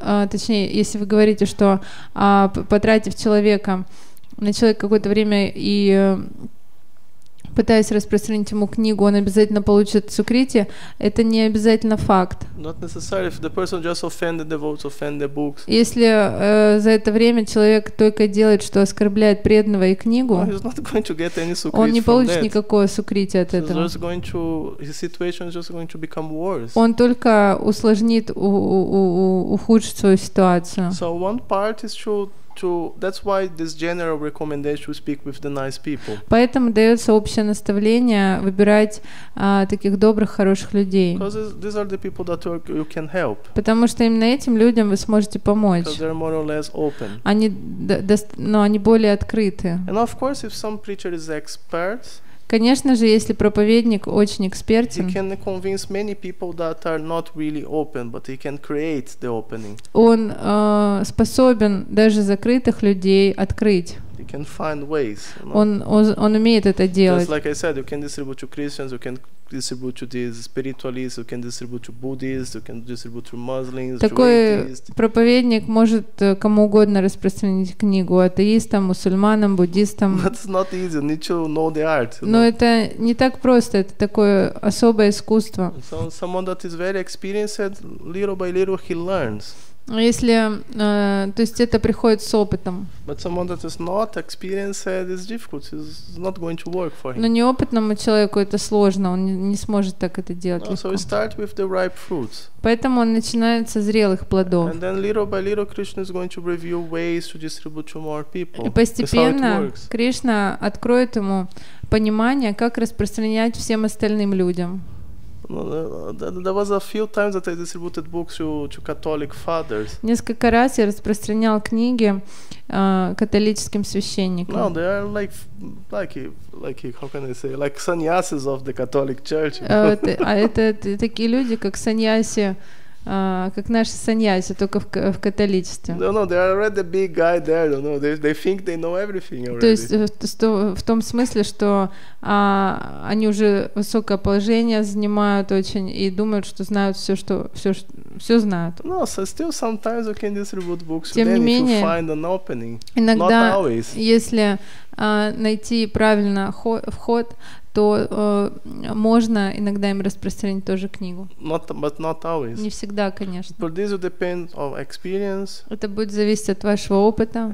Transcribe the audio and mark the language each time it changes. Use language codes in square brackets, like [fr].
[ru] Точнее, если вы говорите, что потратив человека на человека какое-то время и пытаясь распространить ему книгу, он обязательно получит сукрити, это не обязательно факт. [en] Not necessarily, if the person just offended the votes, offended the books. [ru] Если за это время человек только делает, что оскорбляет преданного и книгу, [en] well, he's not going to get any sukriti [ru] он не получит [en] from [ru] никакого сукрити от этого. [en] So he's going to, his situation is just going to become worse. [ru] Он только усложнит, ухудшит свою ситуацию. [en] So one part is to that's why this general recommendation to speak with the nice people. [ru] Поэтому дается общее наставление выбирать таких добрых, хороших людей. [en] Because these are the people that you can help. [ru] Потому что именно этим людям вы сможете помочь. [en] Because they're more or less open. [ru] Они более открыты. [en] And of course, if some preacher is expert. [ru] Конечно же, если проповедник очень экспертен, [en] he can convince many people that are not really open, but he can create the opening. [ru] Он способен даже закрытых людей открыть. [en] He can find ways. [ru] Он умеет это делать. [en] Just like I said, you can distribute to Christians, you can distribute to these spiritualists, you can distribute to Buddhists, you can distribute to Muslims, [ru] такой [en] to atheists. [ru] Проповедник может кому угодно распространить книгу, атеистам, мусульманам, буддистам. [en] But it's not easy. You need to know the art. [ru] Но это не так просто, это такое особое искусство. [en] So someone that is very experienced, little by little he learns. [ru] Если, то есть это приходит с опытом. [en] But someone that is not experienced is difficult. It's not going to work for him. [ru] Но неопытному человеку это сложно. Он не сможет так это делать. [en] No, so we start with the ripe fruits. [ru] Поэтому он начинает со зрелых плодов. [en] And then little by little, Krishna is going to reveal ways to distribute to more people. [ru] И постепенно Кришна откроет ему понимание, как распространять всем остальным людям. [en] There was a few times that I distributed books to Catholic fathers. [ru] Несколько раз я распространял книги католическим священникам. [en] No, they are like how can I say, like sannyasis of the Catholic Church. [ru] Это такие люди, как саньяси. Как наши саньяси, только в католичестве. [en] No, they are already a big guy there. No, they think they know everything already. [ru] То есть в том смысле, что они уже высокое положение занимают очень и думают, что знают все, что все знают. [en] No, so still sometimes you can distribute books. [ru] Тем не менее, [en] if you find an opening. [ru] Иногда, если найти правильно вход, то можно иногда им распространить тоже книгу. [en] Not always. [ru] Не всегда, конечно. [en] But this will depend on experience. [ru] Это будет зависеть от вашего опыта.